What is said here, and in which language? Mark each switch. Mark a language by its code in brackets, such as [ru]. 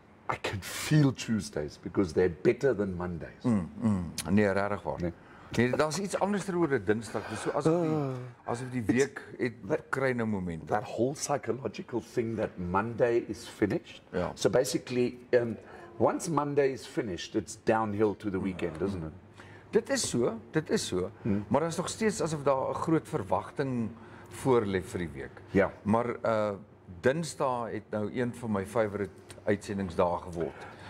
[en] I can feel Tuesdays because they're better than Mondays. [af] Nee, rarig waar. Nee, daar's iets anders oor 'n Dinsdag. Dis so asof die week het kry 'n moment. [en] That whole psychological thing that Monday is finished. Yeah. So basically, once Monday is finished, it's downhill to the weekend, isn't it? [af] Dit is so, dit is so. Maar daar's nog steeds asof daar 'n groot verwagting voor lê vir die week. Ja. Yeah. Maar Dinsdag het nou een van my favorite uitsendingsdae geword.